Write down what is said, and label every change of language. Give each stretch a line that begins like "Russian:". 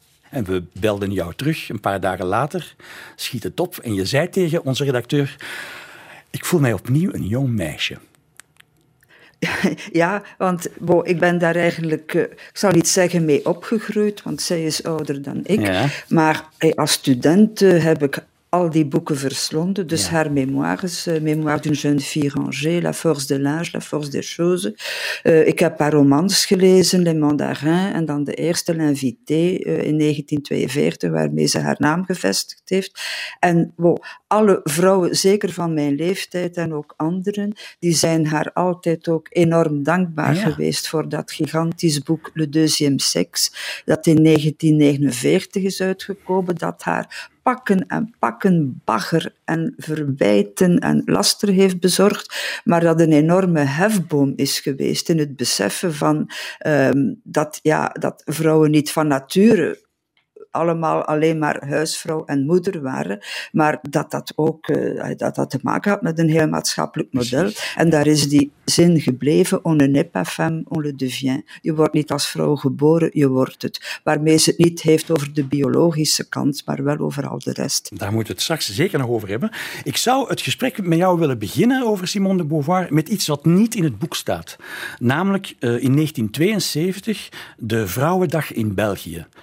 Dutch: En we belden jou terug een paar dagen later, schiet het op en je zei tegen onze redacteur: ik voel mij opnieuw een jong meisje. Ja, want ik ben daar eigenlijk, ik zal niet zeggen, mee opgegroeid, want zij is ouder dan ik. Ja. Maar als student heb ik al die boeken verslonden. Dus ja. Haar memoires, Mémoire d'une jeune fille rangée, La force de l'âge, La force des choses. Ik heb haar romans gelezen, Les Mandarins, en dan de eerste, L'Invité, in 1942, waarmee ze haar naam gevestigd heeft. En alle vrouwen, zeker van mijn leeftijd en ook anderen, die zijn haar altijd ook enorm dankbaar geweest voor dat gigantisch boek Le Deuxième Sexe, dat in 1949 is uitgekomen, dat haar pakken en pakken bagger en verwijten en laster heeft bezorgd, maar dat een enorme hefboom is geweest in het beseffen van dat vrouwen niet van nature allemaal alleen maar huisvrouw en moeder waren, maar dat dat ook dat te maken had met een heel maatschappelijk model. En daar is die zin gebleven:
French: on ne naît pas femme, on le devient.
Dutch: Je wordt niet als vrouw geboren, je wordt het. Waarmee ze het niet heeft over de biologische kant, maar wel over al de rest. Daar moeten we het straks zeker nog over hebben. Ik zou het gesprek met jou willen beginnen over Simone de Beauvoir met iets wat niet in het boek staat. Namelijk in 1972 de Vrouwendag in België.